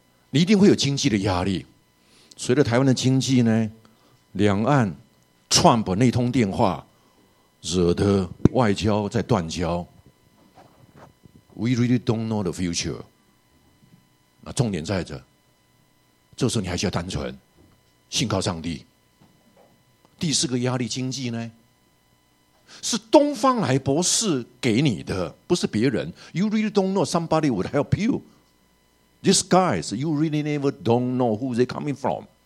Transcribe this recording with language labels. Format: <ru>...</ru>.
<zh>你一定会有经济的压力，随着台湾的经济呢，两岸川普那通电话，惹得外交在断交。</zh> <en>We really don't know the future.</en> <zh>那重点在这，这时候你还需要单纯，信靠上帝。第四个压力，经济呢，是东方来博士给你的，不是别人。</zh> <en>You really don't know somebody would help you. These guys, you really never don't know who they coming from.</en>